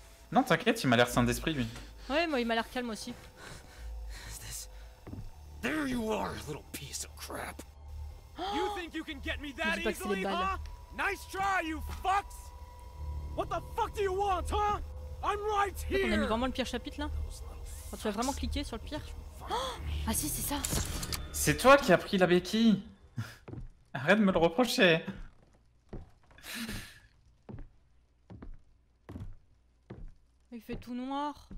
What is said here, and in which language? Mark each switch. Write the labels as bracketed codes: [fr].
[fr] Non t'inquiète, il m'a l'air sain d'esprit lui. Ouais moi il m'a l'air calme aussi. [en] There you are, little piece of crap. You think you can get me that easily, huh? Nice try, you fucks. What the fuck do you want, huh? I'm right here. [fr] On a mis vraiment le pire chapitre là. Oh, tu vas vraiment cliquer sur le pire. Oh ah si, c'est ça. C'est toi qui as pris la béquille. Arrête de me le reprocher. Il fait tout noir.